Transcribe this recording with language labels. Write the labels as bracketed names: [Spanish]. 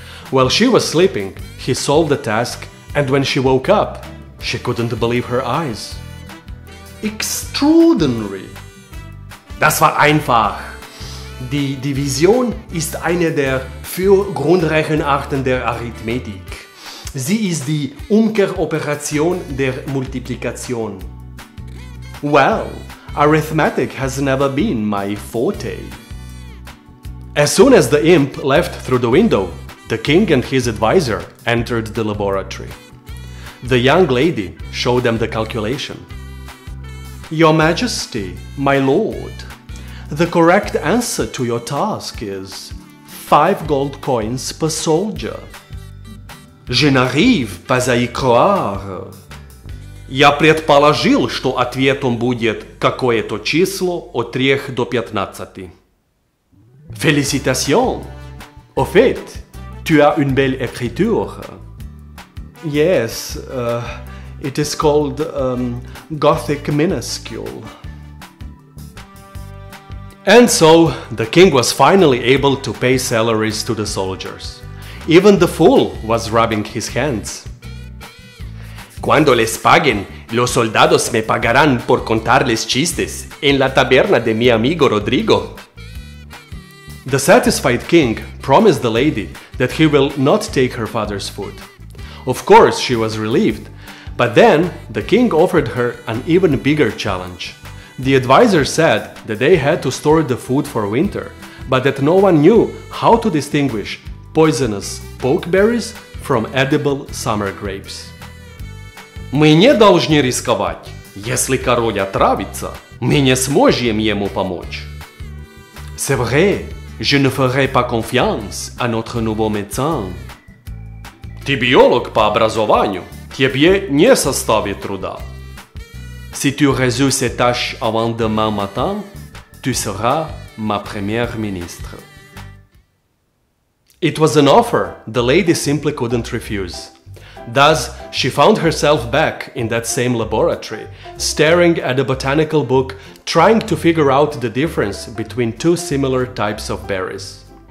[English] While she was sleeping, he solved the task, and when she woke up, she couldn't believe her eyes. Extraordinary! [German] Das war einfach. Die Vision ist eine der vier Grundrechenarten der Arithmetik. Sie ist die Umkehroperation der Multiplikation. [English] Well, arithmetic has never been my forte. As soon as the imp left through the window, the king and his advisor entered the laboratory. The young lady showed them the calculation. Your Majesty, my lord, the correct answer to your task is 5 gold coins per soldier. [French] Je n'arrive pas à y croire. [Russian] Я предположил, что ответом будет какое-то число от 3 до 15. [French] Félicitations! Au fait, tu as une belle écriture. [English] Yes, it is called Gothic Minuscule. And so, the king was finally able to pay salaries to the soldiers. Even the fool was rubbing his hands. [Spanish] Cuando les paguen, los soldados me pagarán por contarles chistes en la taberna de mi amigo Rodrigo. [English] The satisfied king promised the lady that he will not take her father's food. Of course, she was relieved, but then the king offered her an even bigger challenge. The advisor said that they had to store the food for winter, but that no one knew how to distinguish poisonous pokeberries from edible summer grapes. [Russian] Мы не должны рисковать. Если король отравится, мы не сможем ему помочь. [French] C'est vrai. Je ne ferai pas confiance à notre nouveau médecin. [Russian] Ты биолог по образованию. Тебе не составит труда. [French] Si tu résous ces tâches avant demain matin, tu seras ma première ministre. [English] It was an offer the lady simply couldn't refuse. Thus, she found herself back in that same laboratory, staring at a botanical book, trying to figure out the difference between two similar types of berries.